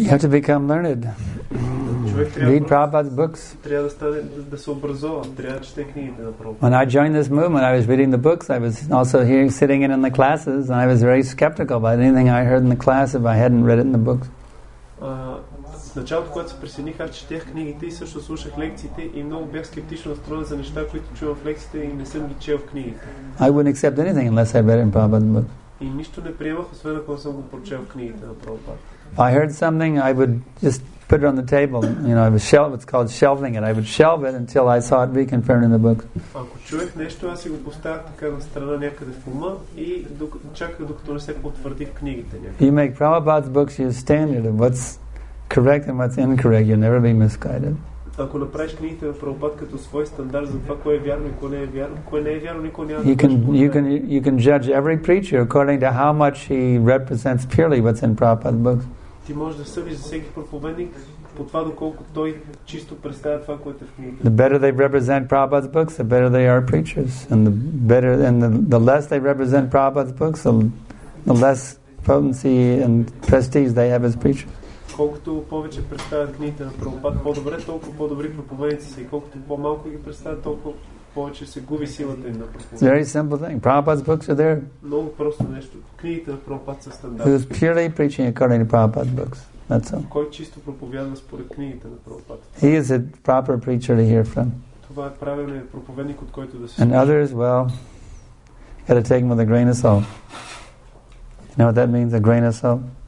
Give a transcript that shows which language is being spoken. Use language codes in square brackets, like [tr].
[en] you have to become learned. Read Prabhupada's books. When I joined this movement, I was reading the books. I was also hearing, sitting in the classes, and I was very skeptical about anything I heard in the class if I hadn't read it in the books. [bg] Началото, когато се присъединих, аз четях книгите и също слушах лекциите и много бях скептично настроен за неща, които чувам в лекциите и не съм ги чел в книгите. [en] I wouldn't accept anything unless I read in Prabhupada's book. [bg] И нищо не приемах, освен ако съм го прочел в книгите на Прабхупада. [en] If I heard something, I would just put it on the table. You know, it's called shelving it. I would shelve it until I saw it reconfirmed in the book. [bg] Ако чуех нещо, аз си го поставях така на страна някъде в ума и чаках докато не се потвърди в книгите някъде. [en] You make Prabhupada's books your standard of what's correct and what's incorrect. You'll never be misguided. [bg] Ако направиш книгите на Прабхупада като свой стандарт за това кое е вярно и кое не е вярно, кое не е вярно, никой няма да [en] You can judge every preacher according to how much he represents purely what's in Prabhupada's books. [bg] Ти можеш да съдиш за всеки проповедник по това доколко той чисто представя това, което е в книгите. [en] The better they represent Prabhupada's books, the better they are preachers, and the less they represent Prabhupada's books, the less potency and prestige they have as preachers. [bg] Колкото повече представят книгите на Прабхупада, по-добре, толкова по-добри проповедници са, и колкото по-малко ги представят, толкова повече се губи силата им на проповедниците. [en] Very simple thing. Prabhupada's books are there. [bg] Много просто нещо. Книгите на Прабхупада са стандарт. [en] Who's purely preaching according to Prabhupada's books. That's all. [bg] Кой чисто проповядва според книгите на Прабхупада. [en] He is a proper preacher to hear from. [bg] Това е правилният проповедник, от който да се. [en] And others, well, gotta take them with a grain of salt. You know what that means, a grain of salt?